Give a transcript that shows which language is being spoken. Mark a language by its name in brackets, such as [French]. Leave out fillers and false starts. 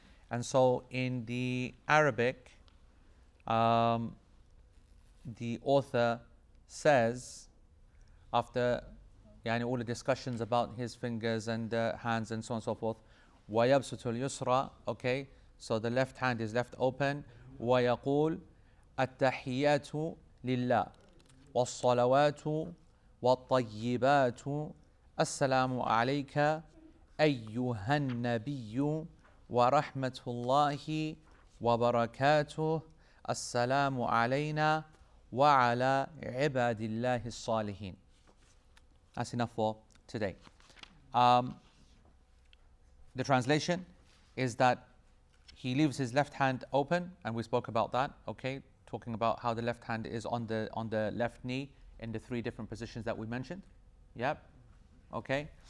[English] And so in the Arabic, the author says, after yani, all the discussions about his fingers and hands and so on and so forth, [Arabic] وَيَبْسُتُ الْيُسْرَى, [English] okay? So the left hand is left open. [Arabic] وَيَقُولْ أَتَّحِيَّاتُ لِلَّهِ وَالصَّلَوَاتُ والطيبات السلام عليك أيها النبي ورحمة الله وبركاته السلام علينا وعلى عباد الله الصالحين. [English] That's enough for today. The translation is that he leaves his left hand open, and we spoke about that, okay, talking about how the left hand is on the left knee in the three different positions that we mentioned. Yep. Okay.